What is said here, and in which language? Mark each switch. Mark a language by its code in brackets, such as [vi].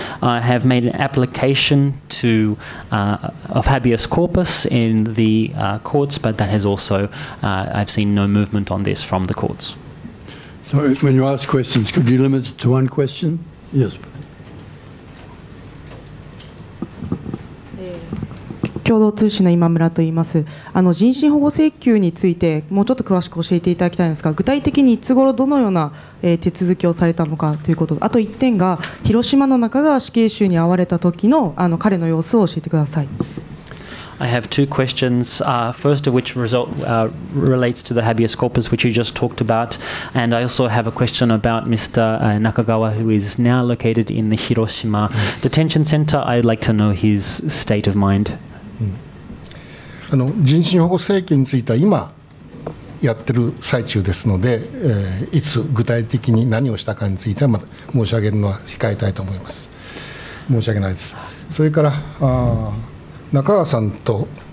[en] I have made an application to of habeas corpus in the courts, but that has also, I've seen no movement on this from the courts. So when you ask questions, could you limit it to one question? Yes. [ja] 共同通信の今村と言います。人身保護請求についてもうちょっと詳しく教えていただきたいんですが、具体的にいつ頃どのような手続きをされたのかということ、あと1点が広島の中川死刑囚に会われた時の彼の様子を教えてください。 [en] I have two questions, first of which relates to the habeas corpus, which you just talked about. And I also have a question about Mr. Nakagawa, who is now located in the Hiroshima Detention Center. I'd like to know his state of mind. [ja] 人身保護請求については今やってる最中ですので、いつ具体的に何をしたかについてはまた申し上げるのは控えたいと思います。申し訳ないです。それから、中川さんと